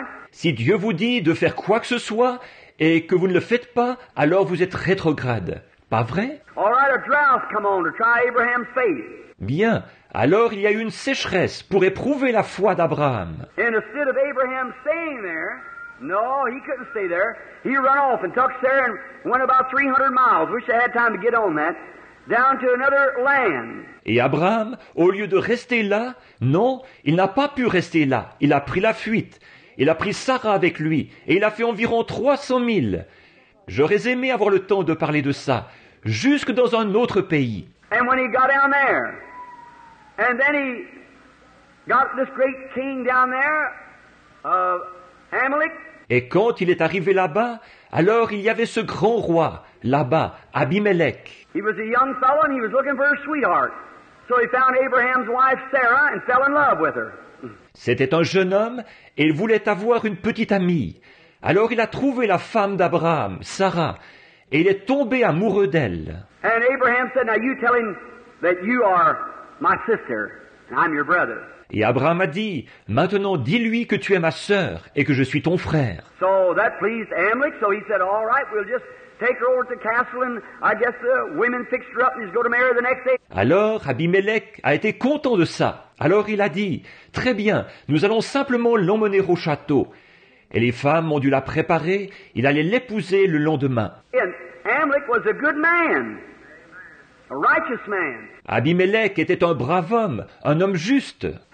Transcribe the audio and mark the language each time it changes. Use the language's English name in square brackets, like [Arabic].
[French] Si Dieu vous dit de faire quoi que ce soit et que vous ne le faites pas, alors vous êtes rétrograde. Pas vrai? [English] All right, a drought, come on, to try Abraham's faith. [French] Bien. Alors il y a eu une sécheresse pour éprouver la foi d'Abraham. [English] And instead of Abraham staying there, no, he couldn't stay there. He ran off and took Sarah and went about 300 miles. Wish I had time to get on that. Down to another land. [French] Et Abraham, au lieu de rester là, non, il n'a pas pu rester là. Il a pris la fuite. Il a pris Sarah avec lui et il a fait environ 300 milles. J'aurais aimé avoir le temps de parler de ça, jusque dans un autre pays. [English] And when he got down there. And then he got this great king down there, Amalek. [French] Et quand il est arrivé là-bas, alors il y avait ce grand roi là-bas, Abimelech. [English] He was a young fellow and he was looking for a sweetheart. So he found Abraham's wife Sarah and fell in love with her. [French] C'était un jeune homme et il voulait avoir une petite amie. Alors il a trouvé la femme d'Abraham, Sarah, et il est tombé amoureux d'elle. [English] And Abraham said, "Now you tell him that you are my sister, and I'm your brother." [French] Et Abraham a dit, maintenant dis-lui que tu es ma sœur et que je suis ton frère. [English] So that pleased Amalek, so he said, all right, we'll just take her over to the castle and I guess the women fixed her up and just go to marry her the next day. [French] Alors Abimelech a été content de ça. Alors il a dit, très bien, nous allons simplement l'emmener au château. Et les femmes ont dû la préparer, il allait l'épouser le lendemain. [English] And Amalek was a good man, a righteous man. [French] Abimelech était un brave homme, un homme juste.